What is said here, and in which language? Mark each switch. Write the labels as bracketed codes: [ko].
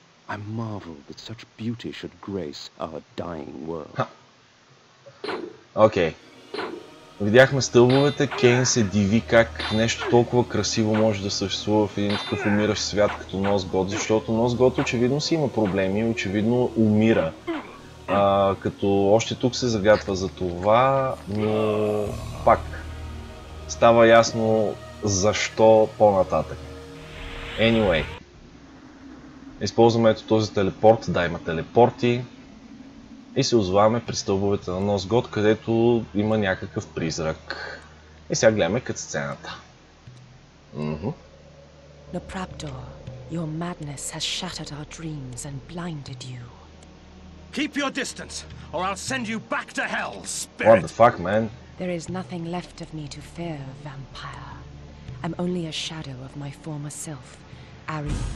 [en] I marvel that such beauty should grace our dying world. [bg] Окей. Видяхме стълбовете, Кейн се диви как нещо толкова красиво може да съществува в един такъв умиращ свят като Носгот, защото Носгот очевидно си има проблеми, очевидно умира. Като още тук се загатва за това, но пак става ясно защо по-нататък. [en] Anyway. [bg] Използваме ето този телепорт, да, има телепорти и се озваме при стълбовете на Носгот, където има някакъв призрак. И сега гледаме кът сцената. [en] Нопрабдор, your madness has shattered our dreams and blinded you. Keep your distance, or I'll send you back to hell, spirit! What the fuck, man? There is nothing left of me to fear, vampire. I'm only a shadow of my former self, Ari.